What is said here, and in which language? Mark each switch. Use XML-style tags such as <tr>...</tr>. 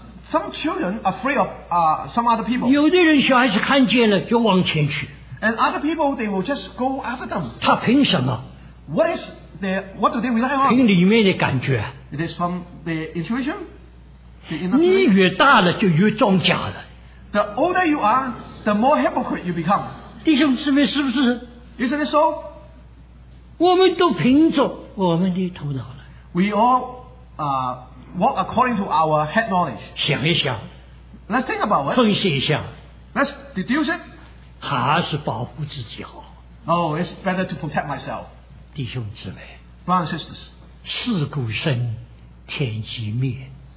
<en>some children are afraid of some other people.</en> <zh>有的人小孩子看见了就往前去,</zh> <en>and other people, they will just go after them.</en> <zh>他凭什么?</zh> <en>What do they rely on?</en> <zh>凭里面的感觉,</zh> <en>it is from the intuition.</en> <zh>你越大了就越装假了,</zh> <en>the older you are, the more hypocrite you become.</en> <zh>弟兄姊妹是不是?</zh> <en>Isn't it so?</en> <zh>我们都凭着我们的头脑来,</zh> <en>we all walk according to our head knowledge.</en> <zh>想一想,</zh> <en>let's think about it.</en> <zh>分析一想,</zh> <en>let's deduce it.</en> <zh>还是保护自己好,</zh> <en>oh, it's better to protect myself.</en> <zh>弟兄姊妹,</zh> <en>brothers and sisters,</en> <zh>事故生天机灭,</zh>